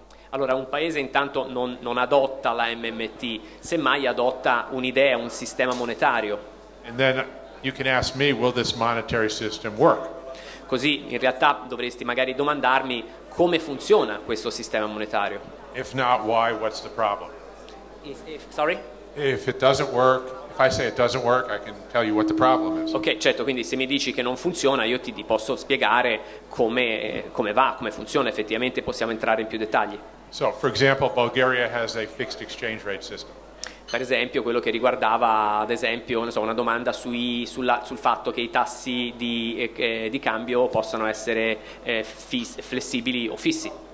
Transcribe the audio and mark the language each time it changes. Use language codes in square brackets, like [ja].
[it] Allora, un paese intanto non adotta la MMT, semmai adotta un'idea, un sistema monetario. [en] And then you can ask me, will this monetary system work? [it] Così, in realtà, dovresti magari domandarmi come funziona questo sistema monetario. [en] If not, why, what's the problem? Sorry? If it doesn't work, if I say it doesn't work, I can tell you what the problem is. [it] Ok, certo, quindi se mi dici che non funziona, io ti posso spiegare come va, come funziona, effettivamente possiamo entrare in più dettagli. [en] So, for example, Bulgaria has a fixed exchange rate system. [it] Per esempio, quello che riguardava, ad esempio, non so, una domanda sul fatto che i tassi di cambio possano essere flessibili o fissi.